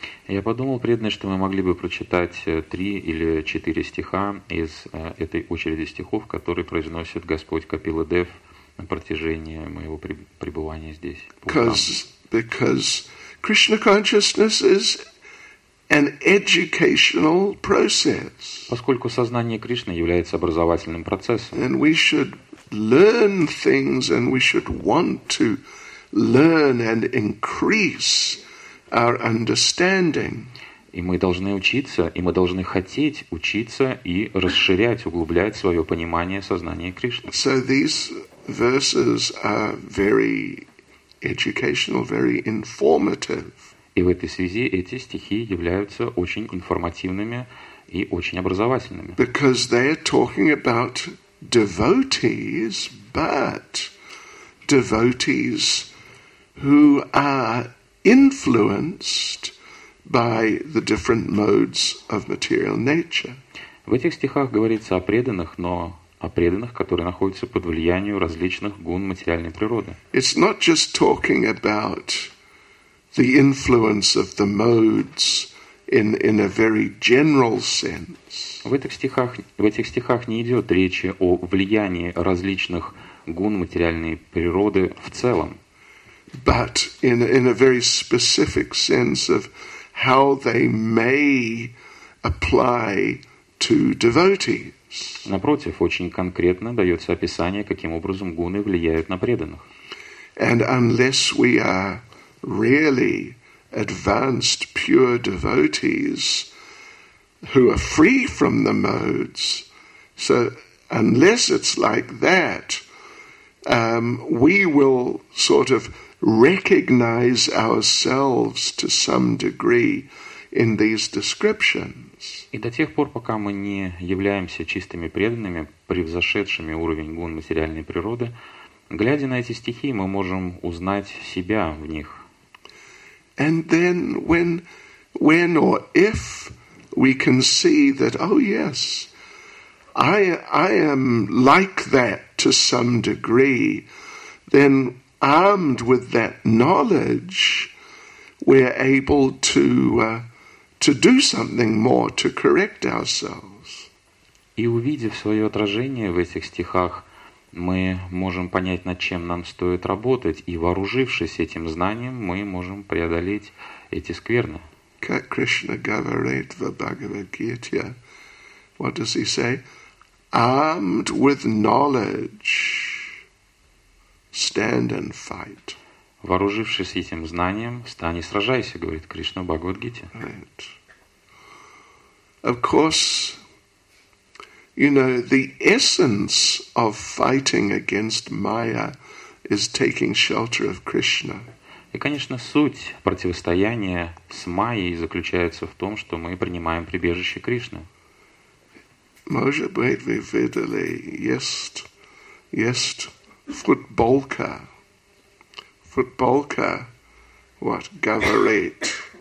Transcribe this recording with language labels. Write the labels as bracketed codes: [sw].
[ru] Я подумал, преданный, что мы могли бы прочитать три или четыре стиха из этой очереди стихов, которые произносит Господь Капила Дев на протяжении моего пребывания здесь. [en] Because Krishna consciousness is an educational process. [ru] Поскольку сознание Кришны является образовательным процессом. [en] And we should learn things, and we should want to learn and increase our understanding. [ru] И мы должны учиться, и мы должны хотеть учиться и расширять, углублять свое понимание сознания Кришны. [en] So these verses are very educational, very informative. [ru] И в этой связи эти стихи являются очень информативными и очень образовательными. [en] Because they are talking about devotees, but devotees who are influenced by the different modes of material nature. [ru] В этих стихах говорится о преданных, но о преданных, которые находятся под влиянием различных гун материальной природы. [en] It's not just talking about the influence of the modes in a very general sense. [ru] В этих стихах не идет речи о влиянии различных гун материальной природы в целом. [en] But in a very specific sense of how they may apply to devotees. [ru] Напротив, очень конкретно дается описание, каким образом гуны влияют на преданных. [en] And unless we are really advanced pure devotees who are free from the modes, so unless it's like that, we will sort of recognize ourselves to some degree in these descriptions. [ru] И до тех пор, пока мы не являемся чистыми преданными, превзошедшими уровень гун материальной природы, глядя на эти стихи, мы можем узнать себя в них. [en] And then when or if we can see that, oh yes, I am like that to some degree, then armed with that knowledge, we're able to do something more to correct ourselves. [ru] И увидев свое отражение в этих стихах, мы можем понять, над чем нам стоит работать, и вооружившись этим знанием, мы можем преодолеть эти скверны. Как Кришна говорит в Бхагавад-гите, [en] what does he say? Armed with knowledge, stand and fight. [ru] Вооружившись этим знанием, встань и сражайся, говорит Кришна в Бхагавад-гите. [en] Right. Of course, you know, the essence of fighting against Maya is taking shelter of Krishna. [ru] И, конечно, суть противостояния с Майей заключается в том, что мы принимаем прибежище Кришны. Может быть, вы видели, есть футболка. Футболка, [en] what, [ru] говорит.